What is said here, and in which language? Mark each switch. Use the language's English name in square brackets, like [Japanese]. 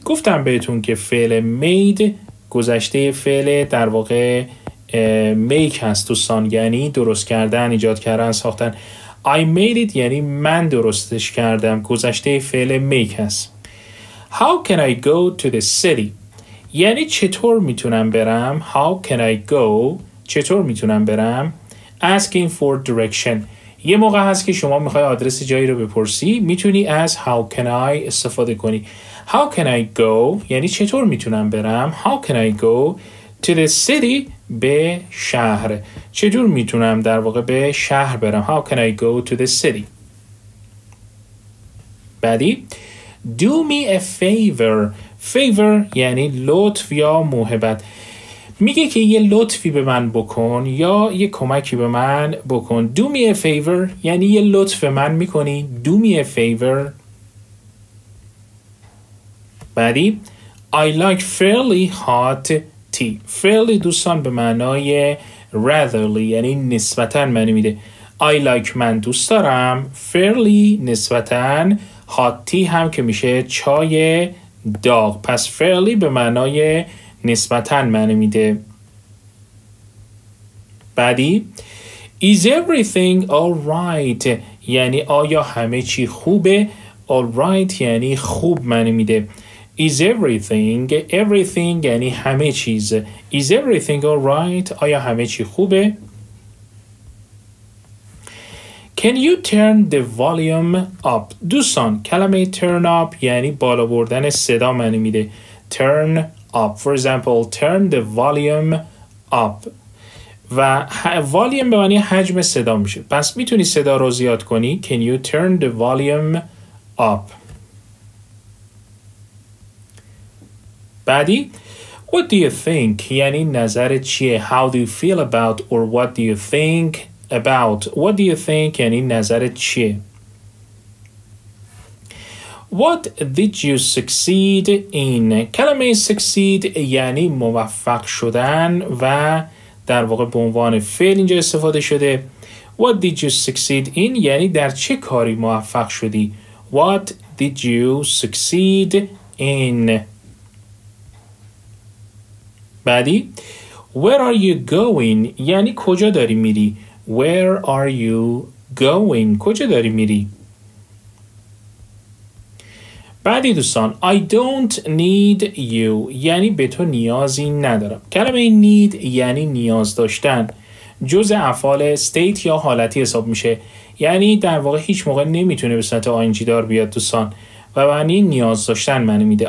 [Persian] گفتم بهتون که فعل made گذشته فعل در واقع make هست دوستان، یعنی درست کردن، ایجاد کردن، ساختن. [English] I made it [Persian] یعنی من درستش کردم، گذشته فعل make هست. [English] How can I go to the city [Persian] یعنی چطور میتونم برم. [English] How can I go [Persian] چطور میتونم برم. Asking for direction یه موقع هست که شما میخوای آدرس جایی رو بپرسی، میتونی از How can I استفاده کنی. [English] How can I go [Persian] یعنی چطور میتونم برم. [English] How can I go to the city [Persian] به شهر، چجور میتونم در واقع به شهر برم. [English] How can I go to the city. بعدی Do me a favor. [Persian] favor یعنی لطف یا موهبت. میگه که یه لطفی به من بکن یا یه کمکی به من بکن. [English] Do me a favor [Persian] یعنی یه لطف من میکنی. [English] Do me a favor. بعدی I like fairly hot tea. [Persian] fairly دوستان به معنای ratherly یعنی نسبتاً معنی میده. [English] I like [Persian] من دوست دارم، fairly نسبتاً، hot tea هم که میشه چای داغ. پس fairly به معنای نسبتاً معنی میده. بعدی [English] Is everything alright [Persian] یعنی آیا همه چی خوبه. alright یعنی خوب معنی میده. Is everything everything یعنی همه چیز. [English] Is everything alright [Persian] آیا همه چی خوبه. [English] Can you turn the volume up [Persian] دوستان، کلمه turn up یعنی بالا بردن صدا معنی میده. [English] turn up for example turn the volume up [Persian] و volume به معنی حجم صدا میشه، پس میتونی صدا رو زیاد کنی. [English] Can you turn the volume up. [Persian] بعدی [English] What do you think [Persian] یعنی نظرت چیه. [English] How do you feel about or what do you think about. What do you think [Persian] یعنی نظرت چیه. [English] What did you succeed in [Persian] کلمه succeed یعنی موفق شدن و در واقع به عنوان فعل اینجا استفاده شده. [English] What did you succeed in [Persian] یعنی در چه کاری موفق شدی. [English] What did you succeed in. [Persian] بعدی [English] Where are you going [Persian] یعنی کجا داری میری. [English] Where are you going [Persian] کجا داری میری. بعدی دوستان [English] I don't need you [Persian] یعنی به تو نیازی ندارم. کلمه need یعنی نیاز داشتن، جز افعال state یا حالتی حساب میشه، یعنی در واقع هیچ موقع نمیتونه به صورت ing دار بیاد دوستان و معنی نیاز داشتن معنی میده.